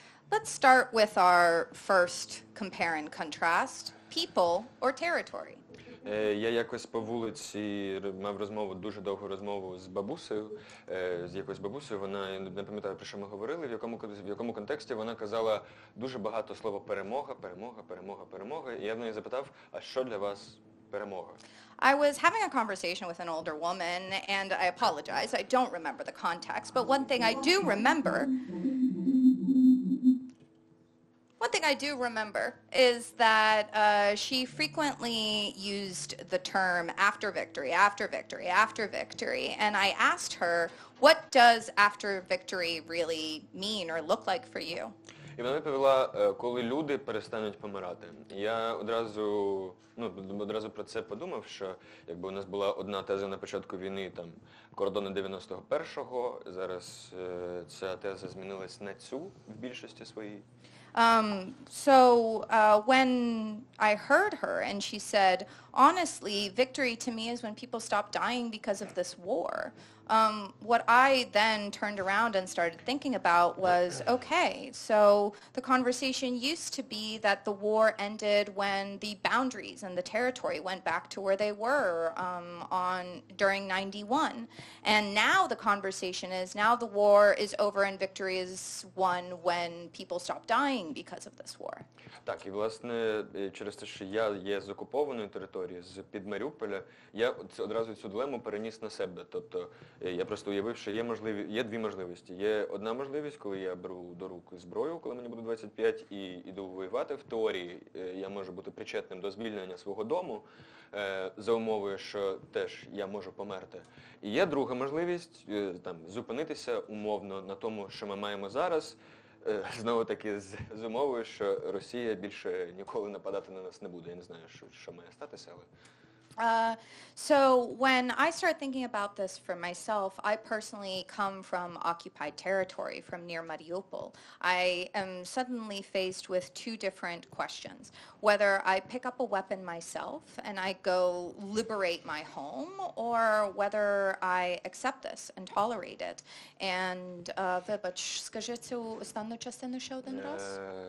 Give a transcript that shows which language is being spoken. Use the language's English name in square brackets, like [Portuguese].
[English] Let's start with our first compare and contrast. People or territory. [Ukrainian] Я якось по вулиці мав розмову, дуже довгу розмову з бабусею. З якоюсь бабусею, вона, не пам'ятаю, про що ми говорили, в якому контексті вона казала дуже багато слова перемога, перемога, перемога, перемога. І я в неї запитав, а що для вас перемога? [English] I was having a conversation with an older woman, and I apologize, I don't remember the context, but one thing I do remember is that she frequently used the term after victory, after victory, after victory, and I asked her, what does after victory really mean or look like for you? [Ukrainian] І вона відповіла, коли люди перестануть помирати. Я одразу про це подумав, що якби у нас була одна теза на початку війни, там, кордони 91-го, зараз ця теза змінилась на цю в більшості своїй. [English] When I heard her and she said, honestly, victory to me is when people stop dying because of this war. What I then turned around and started thinking about was, okay, so the conversation used to be that the war ended when the boundaries and the territory went back to where they were during 91. And now the conversation is, now the war is over and victory is won when people stop dying because of this war. [Ukrainian] Так, і власне, через те, що я є з окупованої території, з-під Маріуполя, я одразу цю дилему переніс на себе. Тобто я просто уявив, що є дві можливості. Є одна можливість, коли я беру до рук зброю, коли мені буде 25, і йду воювати. В теорії я можу бути причетним до звільнення свого дому, за умовою, що теж я можу померти. І є друга можливість, там, зупинитися умовно на тому, що ми маємо зараз, знову таки, з умовою, що Росія більше ніколи нападати на нас не буде. Я не знаю, що має статися, але... [English] So when I start thinking about this for myself, I personally come from occupied territory, from near Mariupol. I am suddenly faced with two different questions. Whether I pick up a weapon myself and I go liberate my home, or whether I accept this and tolerate it. [Ukrainian] And, вибач, скажи цю останню частину ще один раз?